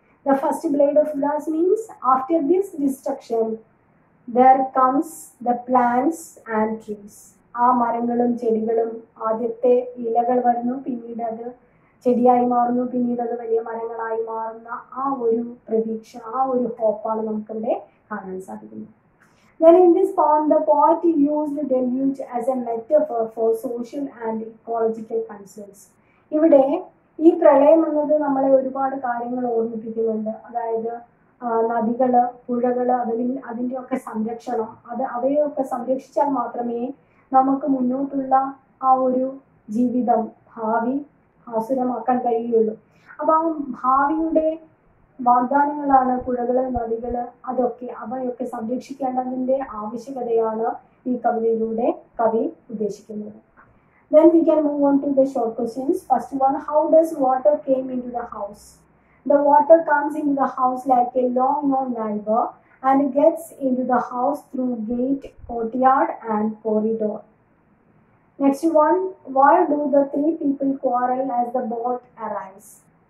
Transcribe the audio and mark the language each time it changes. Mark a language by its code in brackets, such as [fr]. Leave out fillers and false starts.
[en] the first blade of grass means after this destruction there comes the plants and trees, [ml] ആ മരങ്ങളും ചെടികളും, ആദ്യത്തെ ഇലകൾ വരുന്നു, പിന്നീട് അത് ചെടിയായി മാറുന്നു, പിന്നീട് അത് വലിയ മരങ്ങളായി മാറുന്ന ആ ഒരു പ്രതീക്ഷ, ആ ഒരു ഹോപ്പാണ് നമുക്കിവിടെ കാണാൻ സാധിക്കുന്നത്. [en] Then in this poem, the poet used the deluge as a metaphor for social and ecological concerns. [ml] ഇവിടെ ഈ പ്രളയം എന്നത് നമ്മളെ ഒരുപാട് കാര്യങ്ങൾ ഓർമ്മിപ്പിക്കുന്നുണ്ട്, അതായത് നദികൾ, പുഴകൾ, അതിൻ്റെയൊക്കെ സംരക്ഷണം, അത് അവയൊക്കെ സംരക്ഷിച്ചാൽ മാത്രമേ നമുക്ക് മുന്നോട്ടുള്ള ആ ഒരു ജീവിതം, ഭാവി ആസുരമാക്കാൻ കഴിയുള്ളൂ. അപ്പൊ ആ ഭാവിയുടെ വാഗ്ദാനങ്ങളാണ് പുഴകള്, നദികള്, അതൊക്കെ അവയൊക്കെ സംരക്ഷിക്കേണ്ടതിൻ്റെ ആവശ്യകതയാണ് ഈ കവിതയിലൂടെ കവി ഉദ്ദേശിക്കുന്നത്. [en] Then we can move on to the short questions. First one, how does water came into the house? The water comes into the house like a long known neighbor and gets into the house through gate, courtyard and corridor. Next one, why do the three people quarrel as the boat arrives?